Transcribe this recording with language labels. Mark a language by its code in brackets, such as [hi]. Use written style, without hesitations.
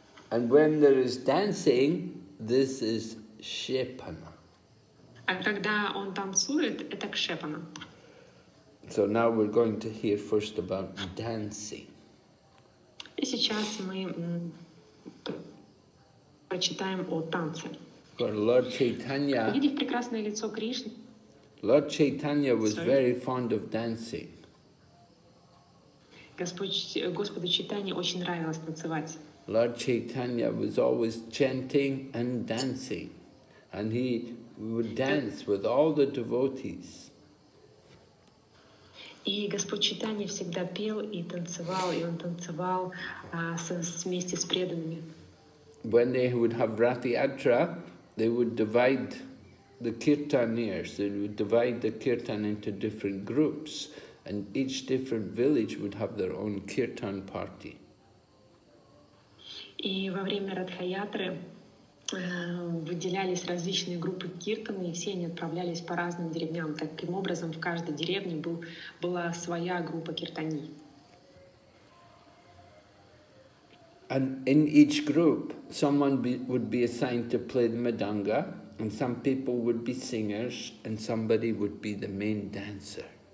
[en] And when there is dancing, this is shepana. [ru] А когда он танцует, это кшепана. [en] So now we're going to hear first about dancing. [ru] И сейчас мы прочитаем о танце. [en] For Lord Chaitanya. [ru] Видеть прекрасное лицо Кришны. [en] Lord Chaitanya was very fond of dancing. [ru] Господу Чайтанье очень нравилось танцевать. [en] Lord Chaitanya was always chanting and dancing, and he would dance with all the devotees. [ru] И Господь Чайтанья всегда пел и танцевал, и он танцевал вместе с преданными. [en] When they would have Rathi Yatra, they would divide the kirtaniers. They would divide the kirtan into different groups, and each different village would have their own kirtan party. [ru] И во время Радхаятры выделялись различные группы киртаны, и все они отправлялись по разным деревням. Таким образом, в каждой деревне была своя группа киртани. [en] And in each group, someone would be assigned to play the madanga, and some people would be singers, and somebody would be the main dancer.